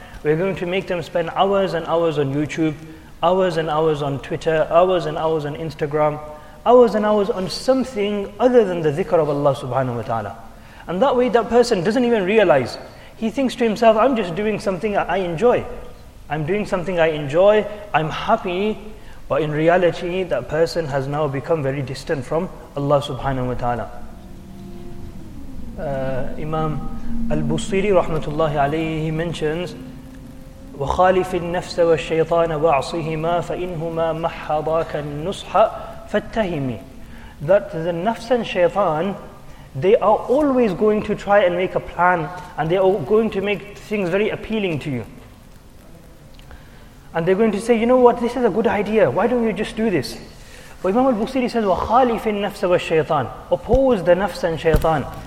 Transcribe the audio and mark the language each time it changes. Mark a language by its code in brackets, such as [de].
[en] We're going to make them spend hours and hours on YouTube, hours and hours on Twitter, hours and hours on Instagram, hours and hours on something other than the dhikr of Allah subhanahu wa ta'ala. And that way that person doesn't even realize. He thinks to himself, "I'm just doing something I enjoy. I'm doing something I enjoy, I'm happy." But in reality, that person has now become very distant from Allah subhanahu wa ta'ala. [ar] Imam Al-Busiri rahmatullahi alayhi mentions, وَخَالِفِ النَّفْسَ وَالشَّيْطَانَ وَعْصِهِمَا فَإِنْهُمَا مَحَّضَاكَ النُّصْحَ فَاتَّهِمِ. [en] That the nafs and shaitan, they are always going to try and make a plan, and they are going to make things very appealing to you. And they're going to say, "You know what, this is a good idea, why don't you just do this?" But Imam Al-Busiri says, [ar] وَخَالِفِ النَّفْسَ وَالشَّيْطَانَ, [en] oppose the nafs and shaitan.